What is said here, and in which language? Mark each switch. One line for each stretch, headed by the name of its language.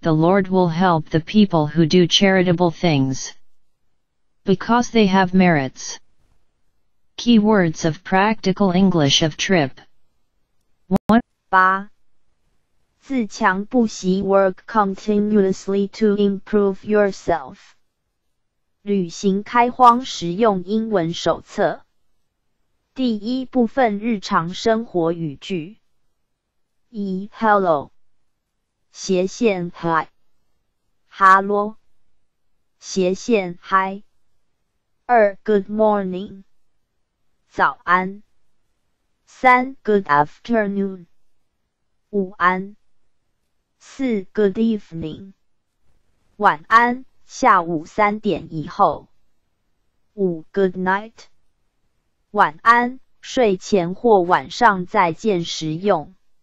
English: The Lord will help the people who do charitable things, because they have merits. Key words of practical English of trip.
Chinese: 八，自强不息
English: ，work continuously to improve yourself.
Chinese: 旅行开荒实用英文手册，第一部分日常生活语句。一 ，
English: hello，
Chinese: 斜线 hi， 哈啰，斜线 hi。
English: 二 ，good morning，
Chinese: 早安。
English: 三 ，good afternoon。
Chinese: 午安。
English: 四 ，Good evening。
Chinese: 晚安，下午三点以后。五 ，
English: Good night。
Chinese: 晚安，睡前或晚上再见时用。